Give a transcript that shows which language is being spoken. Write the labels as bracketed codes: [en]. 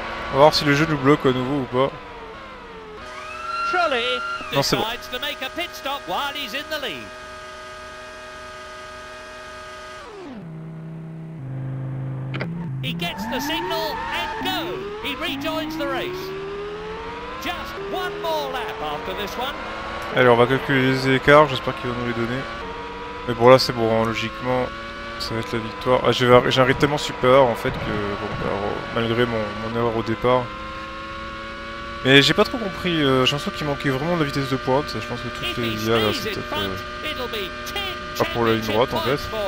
[fr] On va voir si le jeu nous bloque à nouveau ou pas. Trulli non, c'est bon. [en] Decides to make a pit stop while he's in the lead. He gets the signal and go. He rejoins the race. Just one more lap after this one. [fr] Allez, on va calculer les écarts, j'espère qu'il va nous les donner. Mais bon, là c'est bon, logiquement. Ça va être la victoire. Ah, j'ai un rythme tellement super en fait que bon, alors, malgré mon erreur au départ. Mais j'ai pas trop compris, j'ai l'impression qu'il manquait vraiment de la vitesse de pointe. Je pense que tout est lié à cette pas pour la ligne droite en fait.